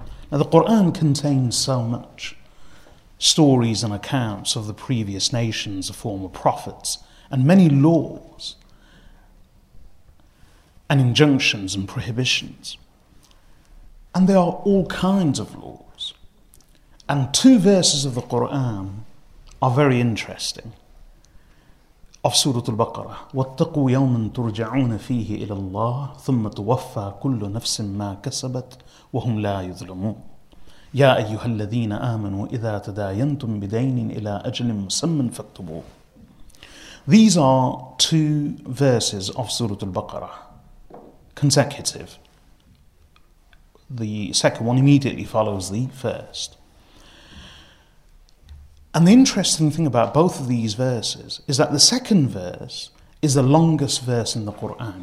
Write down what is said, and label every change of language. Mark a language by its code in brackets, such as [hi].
[en] Now the Qur'an contains so much. Stories and accounts of the previous nations, the former prophets, and many laws and injunctions and prohibitions. And there are all kinds of laws. And two verses of the Qur'an are very interesting. Of Surah Al-Baqarah, [ar] وَاتَّقُوا يَوْمًا تُرْجَعُونَ فِيهِ إِلَى اللَّهِ ثُمَّ تُوَفَّى كُلُّ نَفْسٍ مَا كَسَبَتْ وَهُمْ لَا يُظْلَمُونَ يا أيها الذين آمنوا إذا تداينتم بدين إلى أجل مسمى فاكتبوه. [en] These are two verses of Surah Al-Baqarah, consecutive. The second one immediately follows the first. And the interesting thing about both of these verses is that the second verse is the longest verse in the Quran.